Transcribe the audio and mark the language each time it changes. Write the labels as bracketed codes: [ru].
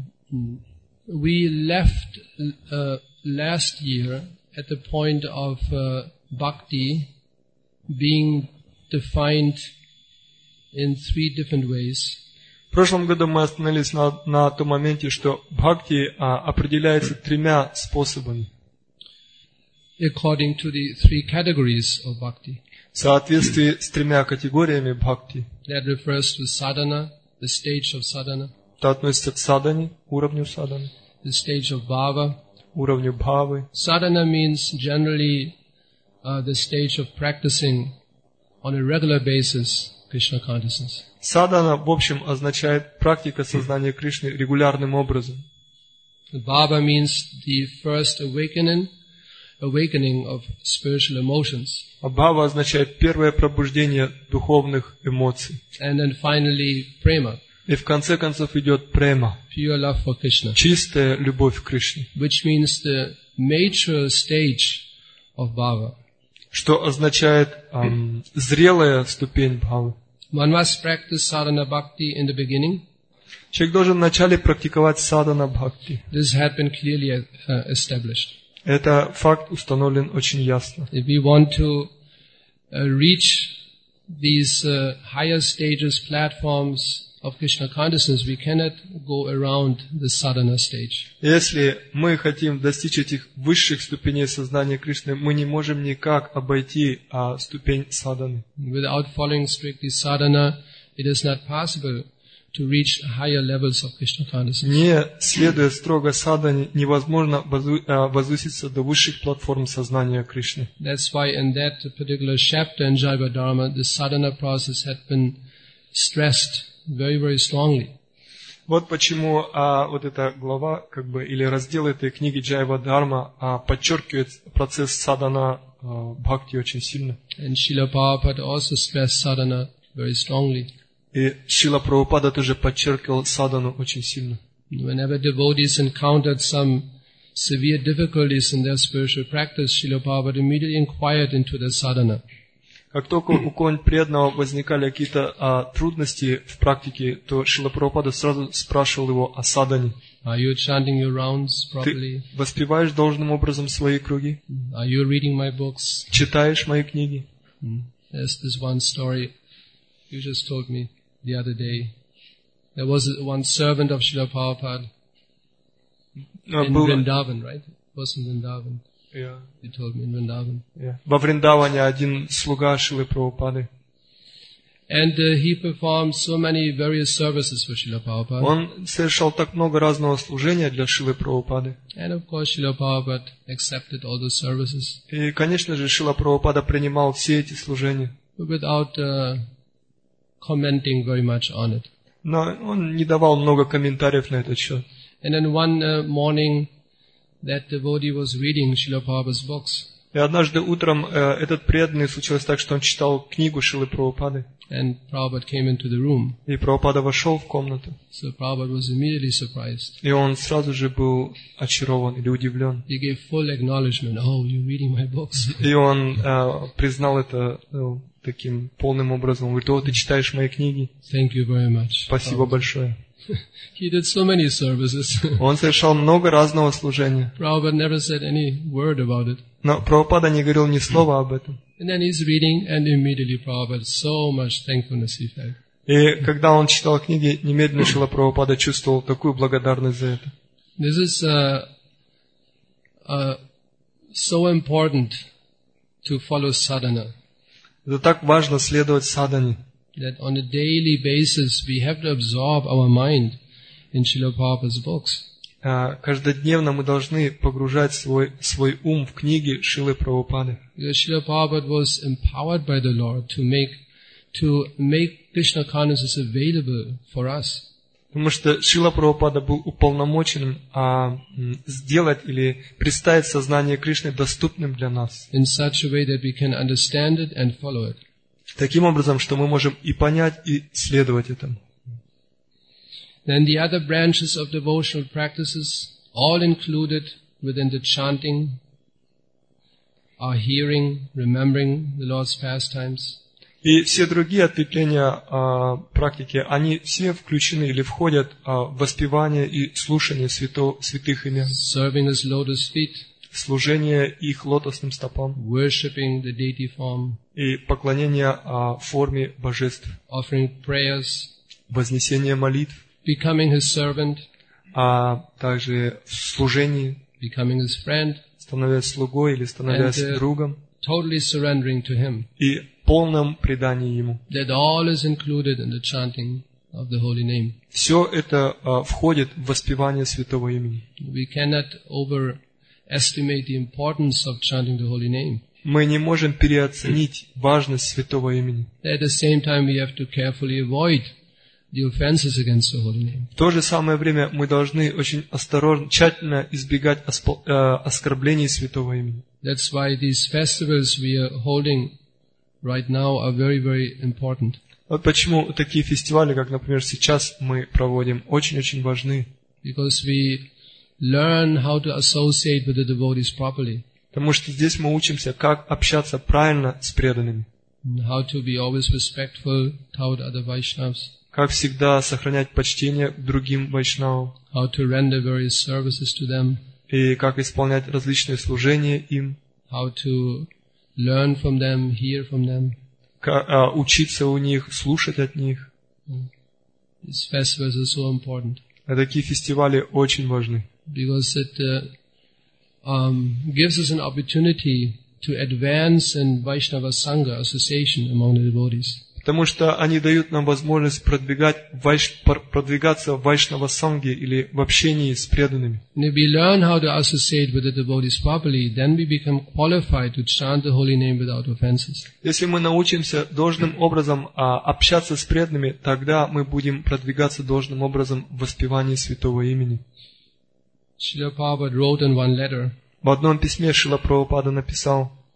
[en] We left last year at the point of bhakti being defined in three different ways. [ru] В прошлом году мы остановились на том моменте, что бхакти определяется тремя способами. [en] According to the three categories of bhakti. [ru] В соответствии с тремя категориями бхакти. [en] That refers to sadhana, the stage of sadhana. [ru] Это относится к садхане, уровню садхана. [en] The stage of bhava. [ru] Уровню бхавы. [en] Sadhana means generally the stage of practicing on a regular basis Krishna consciousness. [ru] Садхана, в общем, означает практика сознания Кришны регулярным образом. [en] Bhava means the first awakening of spiritual emotions. [ru] А бхава означает первое пробуждение духовных эмоций. [en] And then finally, prema. [ru] И в конце концов идет према. [en] Pure love for Krishna. [ru] Чистая любовь к Кришне. [en] Which means the mature stage of bhava. [ru] Что означает зрелая ступень бхавы. [en] One must practice sadhana bhakti in the beginning. [ru] Человек должен вначале практиковать садхана бхакти. [en] This had been clearly established. [ru] Это факт установлен очень ясно. [en] If we want to reach these higher stages, platforms of Krishna consciousness, we cannot go around the sadhana stage. [ru] Если мы хотим достичь этих высших ступеней сознания Кришны, мы не можем никак обойти ступень садханы. [en] Without following strictly sadhana, it is not possible to reach higher levels of Krishna consciousness. [ru] Не следуя строго садхане, невозможно возвыситься до высших платформ сознания Кришны. [en] That's why in that particular chapter in Jiva Dharma, the sadhana process had been stressed very, very strongly. [ru] Вот почему вот эта глава, как бы, или раздел этой книги Джайва Дхарма подчеркивает процесс садхана бхакти очень сильно. [en] And Srila Prabhupada also stressed sadhana very strongly. [ru] И Srila Prabhupada тоже подчеркивал садхану очень сильно. [en] Whenever devotees encountered some severe difficulties in their spiritual practice, Srila Prabhupada immediately inquired into their sadhana. [ru] Как только у кого-нибудь преданного возникали какие-то трудности в практике, то Шрила Прабхупада сразу спрашивал его о садхане. [en] Are you chanting your rounds properly? [ru] Ты воспеваешь должным образом свои круги? [en] Are you reading my books? [ru] Читаешь мои книги? [en] There's this one story you just told me the other day. There was one servant of Srila Prabhupada in Vrindavan, right? It was in Vrindavan. Yeah. You told me in Vrindavan. [ru] Yeah. Во Вриндаване один слуга Шрилы Прабхупады. [en] And he performed so many various services for Srila Prabhupada. [ru] Он совершал так много разного служения для Шрилы Прабхупады. [en] And of course Srila Prabhupada accepted all the services. [ru] И, конечно же, Шрила Прабхупада принимал все эти служения. [en] Without commenting very much on it. [ru] Но он не давал много комментариев на этот счет. [en] And then one morning that devotee was reading Srila Prabhupada's books. [ru] И однажды утром этот преданный случилось так, что он читал книгу Шрилы Прабхупады. [en] And Prabhupada came into the room. [ru] И Прабхупада вошел в комнату. [en] So Prabhupada was immediately surprised. [ru] И он сразу же был очарован или удивлен. [en] He gave full acknowledgement. Oh, you're reading my books. [ru] И он признал это таким полным образом. Говорит, о, ты читаешь мои книги. [en] Thank you very much. [ru] Спасибо Prabhupada. Большое. [en] He did so many services. [ru] Он совершал много разного служения. [en] Prabhupada never said any word about it. [ru] Но Прабхупада не говорил ни слова об этом. [en] And then he's reading, and immediately Prabhupada so much thankfulness he felt. [ru] И когда он читал книги, немедленно Шрила Прабхупада чувствовал такую благодарность за это. [en] This is so important to follow sadhana. [ru] Это так важно следовать садхане. [en] That on a daily basis we have to absorb our mind in Srila Prabhupada's books. [ru] Каждодневно мы должны погружать свой ум в книги Шрилы Прабхупады. [en] Because Srila Prabhupada was empowered by the Lord to make Krishna consciousness available for us. [ru] Потому что Шрила Прабхупада был уполномочен сделать или представить сознание Кришны доступным для нас. [en] In such a way that we can understand it and follow it. [ru] Таким образом, что мы можем и понять, и следовать этому. [en] Then the other branches of devotional practices all included within the chanting, our hearing, remembering the Lord's pastimes. [ru] И все другие ответвления практики, они все включены или входят в воспевание и слушание святых имен. [en] Serving as lotus feet. [ru] Служение их лотосным стопам. [en] Worshipping the deity form. [ru] И поклонение форме божеств. [en] Offering prayers. [ru] Вознесение молитв. [en] Becoming his servant. [ru] А также в служении. [en] Becoming his friend. [ru] Становясь слугой или становясь [en] and, [ru] другом. [en] Totally surrendering to him. [ru] И полном предании ему. [en] That all is included in the chanting of the holy name. [ru] Все это входит в воспевание святого имени. [en] We cannot overestimate the importance of chanting the holy name. [ru] Мы не можем переоценить важность святого имени. [en] At the same time, we have to carefully avoid the offenses against the holy name. [ru] В то же самое время мы должны очень осторожно, тщательно избегать оскорблений святого имени. [en] That's why these festivals we are holding right now are very, very important. [ru] Вот почему такие фестивали, как, например, сейчас мы проводим, очень-очень важны. [en] Because we learn how to associate with the devotees properly. [ru] Потому что здесь мы учимся, как общаться правильно с преданными. [en] How to be always respectful toward other Vaishnavas. [ru] Как всегда сохранять почтение к другим вайшнавам. [en] How to render various services to them. [ru] И как исполнять различные служения им. [en] How to learn from them, hear from them. [ru] Учиться у них, слушать от них. [en] These festivals are so important. [ru] Такие фестивали очень важны. [en] Because it gives us an opportunity to advance in Vaishnava Sangha association among the devotees. [ru] Потому что они дают нам возможность продвигаться в вайшнава санге или в общении с преданными. [en] And if we learn how to associate with the devotees properly, then we become qualified to chant the holy name without offenses. [ru] Если мы научимся должным образом общаться с преданными, тогда мы будем продвигаться должным образом в воспевании святого имени. [en] Srila Prabhupada wrote in one letter. [ru] В одном письме Шрила Прабхупада написал.